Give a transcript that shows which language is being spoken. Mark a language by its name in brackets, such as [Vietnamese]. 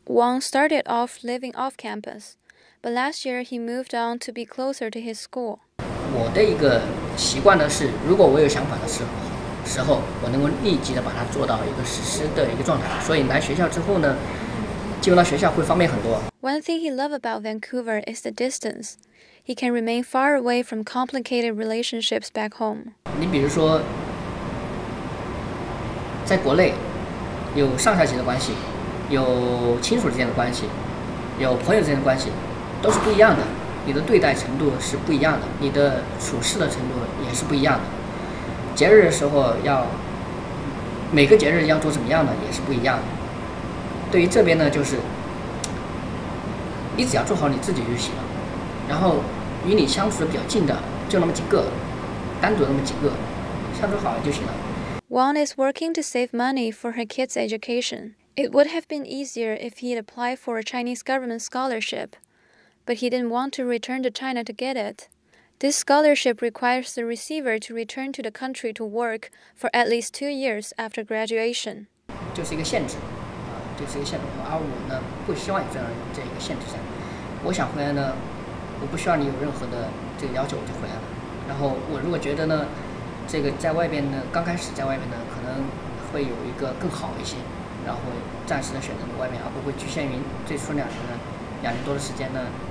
[English] Wang started off living off campus, but last year he moved on to be closer to his school. [Chinese] 我的一个习惯呢是，如果我有想法的时候，我能够立即的把它做到一个实施的一个状态。所以来学校之后呢，进入到学校会方便很多。 [English] One thing he loves about Vancouver is the distance. He can remain far away from complicated relationships back home. [Chinese] 你比如说，在国内有上下级的关系。有亲属之间的关系，有朋友之间的关系，都是不一样的。你的对待程度是不一样的，你的处事的程度也是不一样的。节日的时候要，每个节日要做怎么样的也是不一样的。对于这边呢，就是你只要做好你自己就行了。然后与你相处的比较近的就那么几个，单独那么几个，相处好了就行了。 [English] Wang is working to save money for her kids' education. It would have been easier if he had applied for a Chinese government scholarship, but he didn't want to return to China to get it. This scholarship requires the receiver to return to the country to work for at least 2 years after graduation. [Chinese] 就是一个限制，就是一个限制。而我呢，不希望在一个限制下。我想回来呢，我不需要你有任何的这个要求，我就回来了。然后我如果觉得呢，这个在外边呢，刚开始在外面呢，可能会有一个更好一些，然后暂时的选择外面，而不会局限于最初两年多的时间呢。